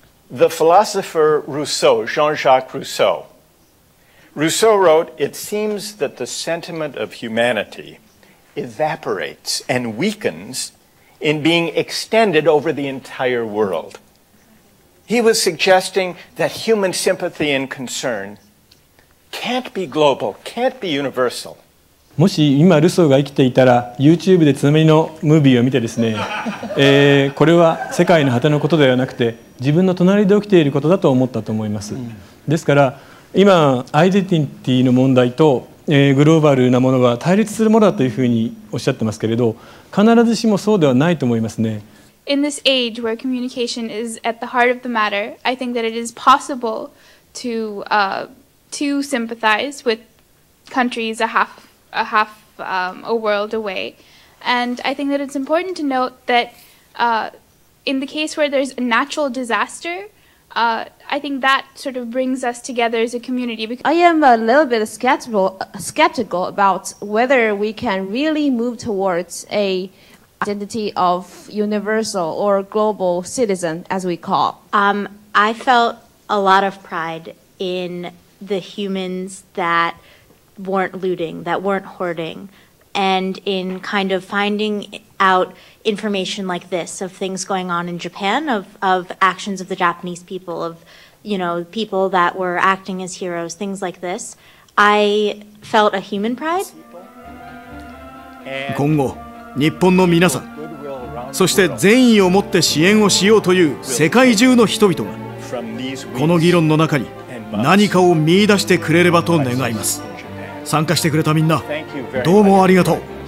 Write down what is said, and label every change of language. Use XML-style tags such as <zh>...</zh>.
<en>The philosopher Rousseau, Jean-Jacques Rousseau, Rousseau wrote, "It seems that the sentiment of humanity evaporates and weakens in being extended over the entire world." He was suggesting that human sympathy and concern can't be global, can't be universal.</en> <ja>もし今ルソーが生きていたら、 YouTube でつなみのムービーを見てですね、これは世界の果てのことではなくて、自分の隣で起きていることだと思ったと思います。ですから、今アイデンティティの問題と、グローバルなものは対立するものだというふうにおっしゃってますけれど、必ずしもそうではないと思いますね。</ja> <en>In this age where communication is at the heart of the matter, I think that it is possible to sympathize with countries a world away. And I think that it's important to note that in the case where there's a natural disaster,I think that sort of brings us together as a community. I am a little bit skeptical about whether we can really move towards a identity of universal or global citizen, as we call. I felt a lot of pride in the humans that weren't looting, that weren't hoarding, and in kind of finding out information like this of things going on in Japan, of actions of the Japanese people, of, you know, people that were acting as heroes, things like this. I felt a human pride.</en> <ja>今後、日本の皆さん、そして善意を持って支援をしようという世界中の人々が、この議論の中に何かを見出してくれればと願います。参加してくれたみんな、どうもありがとう。</ja>